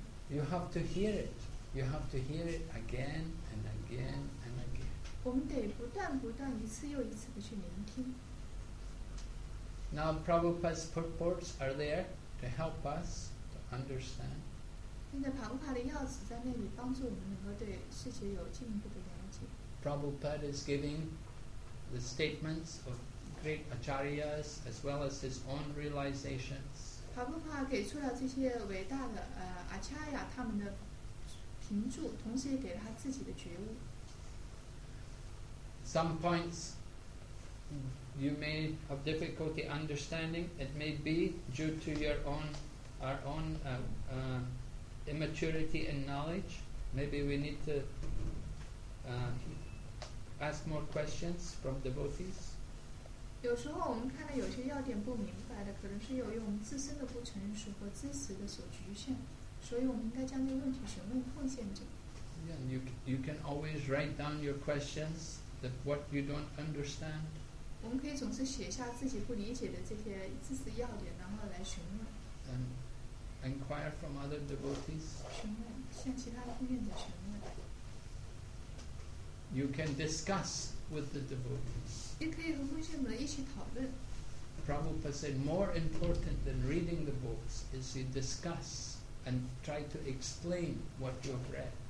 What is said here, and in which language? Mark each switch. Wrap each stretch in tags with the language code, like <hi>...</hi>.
<en>You have to hear it. You have to hear it again and again and again.</en> <zh>我们得不断不断一次又一次的去聆听.</zh> <en>Now Prabhupada's purports are there to help us. Understand.</en> <zh>现在庞法的钥匙在那里帮助我们能够对事情有进一步的了解。</zh> <en>Prabhupada is giving the statements of great acharyas as well as his own realizations.</en> <zh>庞法给出了这些伟大的acharya 他们的评注，同时也给了他自己的觉悟。</zh> <en>Some points you may have difficulty understanding. It may be due to our own immaturity and knowledge. Maybe we need to ask more questions from devotees.</en> <zh>有时候我们看到有些要点不明白的，可能是由于我们自身的不成熟和知识的所局限，所以我们应该将这个问题询问奉献者。</zh> <en>Yeah, you can always write down your questions that what you don't understand.</en> <zh>我们可以总是写下自己不理解的这些知识要点，然后来询问。</zh> <en>Inquire from other devotees.</en> <zh>询问，向其他的护愿者询问。</zh> <en>You can discuss with the devotees.</en> <zh>也可以和护愿者一起讨论。</zh> <en>Prabhupada said, more important than reading the books is you discuss and try to explain what you've read.</en>